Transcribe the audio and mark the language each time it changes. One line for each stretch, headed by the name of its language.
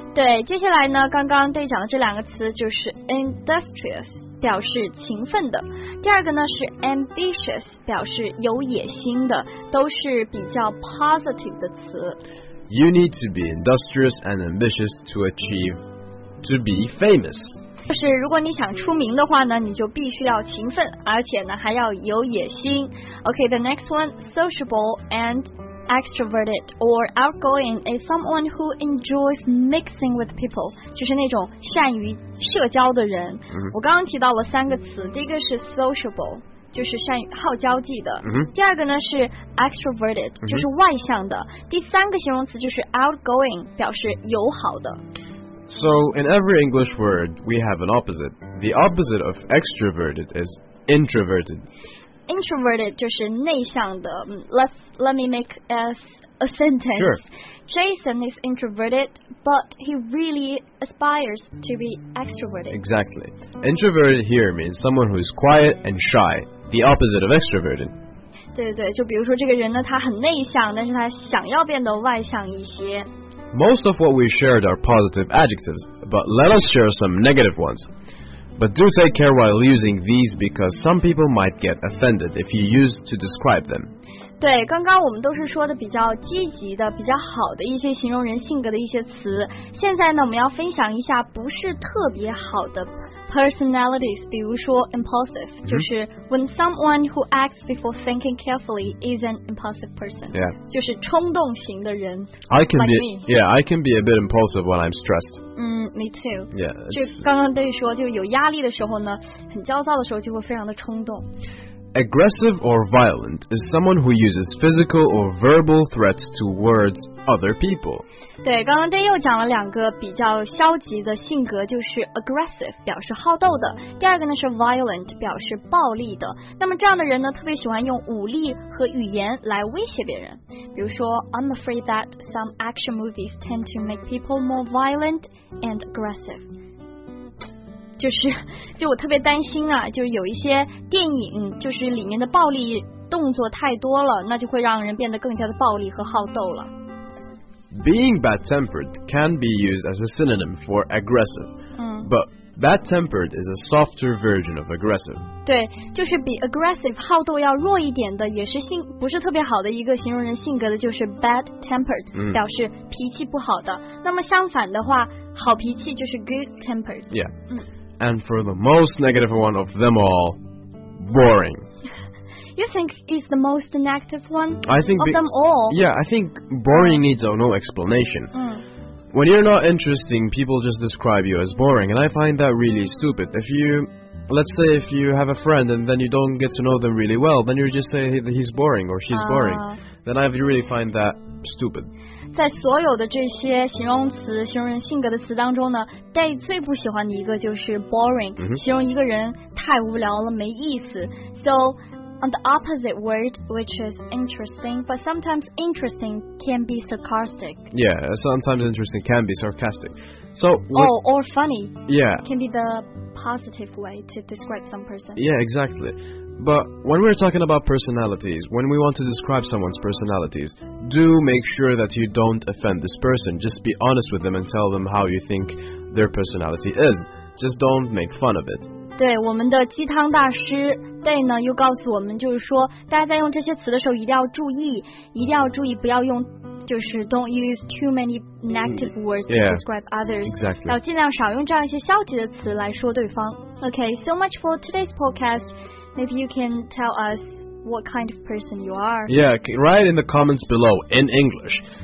Chinese: 对，接下来呢，刚刚对讲的这两个词就是 industrious, 表示勤奋的。第二个呢是 ambitious, 表示有野心的，都是比较 positive 的词。
English: You need to be industrious and ambitious to achieve to be famous.
Chinese: 就是如果你想出名的话呢，你就必须要勤奋，而且呢还要有野心。
English: Okay, the next one, sociable and extroverted or outgoing is someone who enjoys mixing with people,
Chinese: 就是那种善于社交的人。我刚刚提到了三个词，第一个是 sociable, 就是善于好交际的。第二个呢是 extroverted, 就是外向的。第三个形容词就是 outgoing, 表示友好的。
English: So, in every English word, we have an opposite. The opposite of extroverted is introverted. Introverted
Chinese: 就是内向的。
English: Let me make a sentence. Sure. Jason is introverted, but he really aspires to be extroverted. Exactly. Introverted here means someone who is quiet and shy, the opposite of extroverted.
Chinese: 对对，就比如说这个人呢，他很内向，但是他想要变得外向一些。
English: Most of what we shared are positive adjectives, but let us share some negative ones. But do take care while using these because some people might get offended if you use to describe them.
Chinese: 对，刚刚我们都是说的比较积极的，比较好的一些形容人性格的一些词。现在呢，我们要分享一下不是特别好的personalities, 比如说 impulsive, 就是
English: when someone who acts before thinking carefully is an impulsive person. Yeah.
Chinese: 就是冲动型的人。
English: I can、 like、 be,、 me. Yeah, I can be a bit impulsive when I'm stressed. Me too. Yeah.
Chinese: 就刚刚对说，就有压力的时候呢，很焦躁的时候就会非常的冲动。
English: Aggressive or violent is someone who uses physical or verbal threats towards other people.
Chinese: 对，刚刚Day又讲了两个比较消极的性格，就是 aggressive, 表示好斗的。第二个呢是 violent, 表示暴力的。那么这样的人呢，特别喜欢用武力和语言来威胁别人。比如说
English: I'm afraid that some action movies tend to make people more violent and aggressive.
Chinese: 就我特别担心啊，就有一些电影就是里面的暴力动作太多了，那就会让人变得更加的暴力和好斗了。
English: Being bad-tempered can be used as a synonym for aggressive, but bad-tempered is a softer version of aggressive.
Chinese: 对，就是比 aggressive 好斗要弱一点的，也是性不是特别好的一个形容人性格的，就是 bad-tempered, 表示脾气不好的。那么相反的话，好脾气就是 good-tempered.
English: Yeah. And for the most negative one of them all, boring. You think it's the most negative one? I think of them all. Yeah, I think boring needs no explanation. When you're not interesting, people just describe you as boring, and I find that really stupid. Let's say if you have a friend and then you don't get to know them really well, then you just say he's boring or she's boring. Then I really find that stupid.
Chinese: 在所有的这些形容词、形容人性格的词当中呢，戴最不喜欢的一个就是 boring，形容一个人太无聊了，没意思。
English: So,On the opposite word, which is interesting, but sometimes interesting can be sarcastic. Yeah, sometimes interesting can be sarcastic. So, or funny. Yeah. Can be the positive way to describe some person. Yeah, exactly. But when we're talking about personalities, when we want to describe someone's personalities, do make sure that you don't offend this person. Just be honest with them and tell them how you think their personality is. Just don't make fun of it.
Chinese: 对，我们的鸡汤大师 Day 呢又告诉我们，就是说大家在用这些词的时候一定要注意，一定要注意不要用，就是
English: don't use too many negative words to describe others. Exactly.
Chinese: 要尽量少用这样一些消极的词来说对方。
English: Okay, so much for today's podcast. Maybe you can tell us what kind of person you are. Yeah, write in the comments below in English.